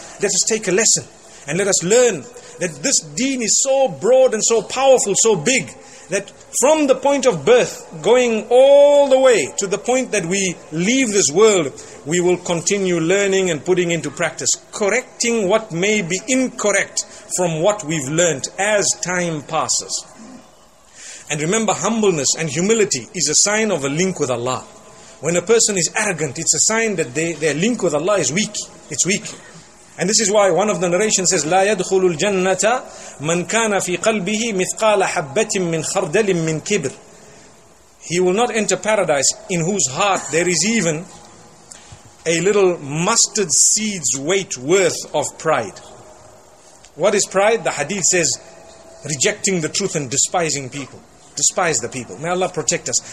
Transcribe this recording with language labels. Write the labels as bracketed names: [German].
[English] Let us take a lesson and let us learn that this deen is so broad and so powerful, so big, that from the point of birth, going all the way to the point that we leave this world, we will continue learning and putting into practice, correcting what may be incorrect from what we've learned as time passes. And remember, humbleness and humility is a sign of a link with Allah. When a person is arrogant, it's a sign that their link with Allah is weak. It's weak. And this is why one of the narrations says, [Arabic] لَا يَدْخُلُ الْجَنَّةَ مَنْ كَانَ فِي قَلْبِهِ مِثْقَالَ حَبَّةٍ مِّنْ خَرْدَلٍ مِّنْ كِبْرٍ. [English] He will not enter paradise in whose heart there is even a little mustard seed's weight worth of pride. What is pride? The hadith says, rejecting the truth and despising people. Despise the people. May Allah protect us.